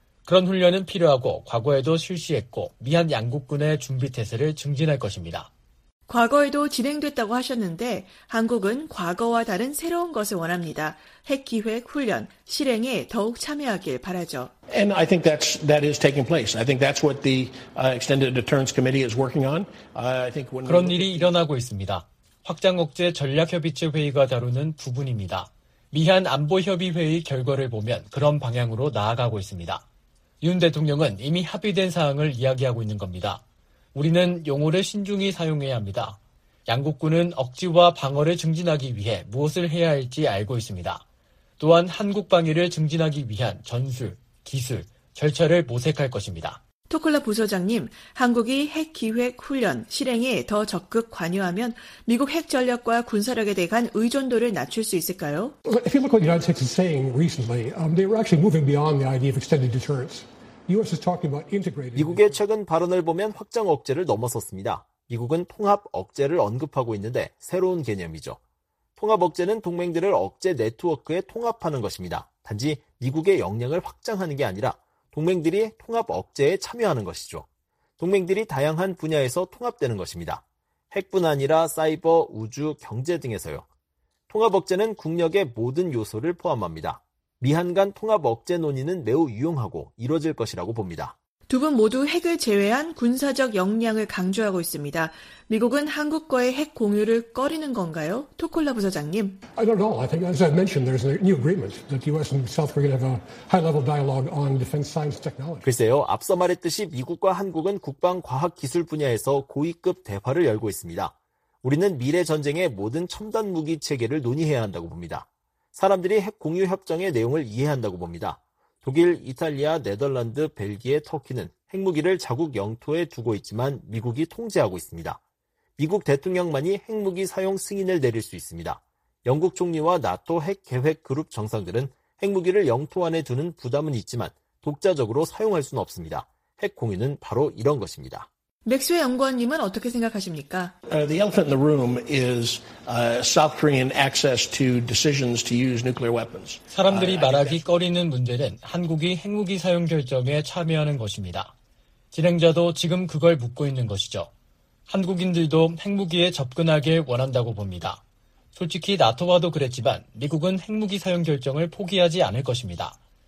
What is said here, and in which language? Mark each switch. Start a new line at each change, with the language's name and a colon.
Korean: 그런 훈련은 필요하고 과거에도 실시했고 미한 양국군의 준비태세를 증진할 것입니다. 과거에도 진행됐다고 하셨는데 한국은 과거와 다른 새로운 것을 원합니다. 핵 기획 훈련 실행에 더욱 참여하길 바라죠.
English: And I think that is taking place. I think that's what the Extended Deterrence Committee is working on. I think when
Korean: 그런 일이 일어나고 있습니다. 확장 억제 전략 협의체 회의가 다루는 부분입니다. 미한 안보협의회의 결과를 보면 그런 방향으로 나아가고 있습니다. 윤 대통령은 이미 합의된 사항을 이야기하고 있는 겁니다. 우리는 용어를 신중히 사용해야 합니다. 양국군은 억지와 방어를 증진하기 위해 무엇을 해야 할지 알고 있습니다. 또한 한국 방위를 증진하기 위한 전술, 기술, 절차를 모색할 것입니다. 토콜라 부소장님, 한국이 핵 기획 훈련 실행에 더 적극 관여하면 미국 핵 전력과 군사력에 대한 의존도를 낮출 수 있을까요?
English: If you look what the United States is saying recently, they were actually moving beyond the idea of extended deterrence. U.S. is talking about integrated.
Korean: 미국의 최근 발언을 보면 확장 억제를 넘어섰습니다. 미국은 통합 억제를 언급하고 있는데 새로운 개념이죠. 통합 억제는 동맹들을 억제 네트워크에 통합하는 것입니다. 단지 미국의 역량을 확장하는 게 아니라 동맹들이 통합 억제에 참여하는 것이죠. 동맹들이 다양한 분야에서 통합되는 것입니다. 핵뿐 아니라 사이버, 우주, 경제 등에서요. 통합 억제는 국력의 모든 요소를 포함합니다. 미한 간 통합 억제 논의는 매우 유용하고 이뤄질 것이라고 봅니다. 두 분 모두 핵을 제외한 군사적 역량을 강조하고 있습니다. 미국은 한국과의 핵 공유를 꺼리는 건가요? 토콜라 부사장님.
English: I don't know. I think as I mentioned, there's a new agreement that the U.S. and South Korea have a high-level dialogue on defense science technology.
Korean: 글쎄요. 앞서 말했듯이 미국과 한국은 국방과학기술 분야에서 고위급 대화를 열고 있습니다. 우리는 미래 전쟁의 모든 첨단 무기 체계를 논의해야 한다고 봅니다. 사람들이 핵 공유 협정의 내용을 이해한다고 봅니다. 독일, 이탈리아, 네덜란드, 벨기에, 터키는 핵무기를 자국 영토에 두고 있지만 미국이 통제하고 있습니다. 미국 대통령만이 핵무기 사용 승인을 내릴 수 있습니다. 영국 총리와 나토 핵계획 그룹 정상들은 핵무기를 영토 안에 두는 부담은 있지만 독자적으로 사용할 수는 없습니다. 핵 공유는 바로 이런 것입니다. 맥스웰 연구원님은 어떻게 생각하십니까?
English: The elephant in the room is South Korean access to decisions to use nuclear weapons.
Korean: 사람들이 말하기 꺼리는 문제는 한국이 핵무기 사용 결정에 참여하는 것입니다. 진행자도 지금 그걸 묻고 있는 것이죠. 한국인들도 핵무기에 접근하길 원한다고 봅니다. 솔직히 나토와도 그랬지만 미국은 핵무기 사용 결정을 포기하지 않을 것입니다.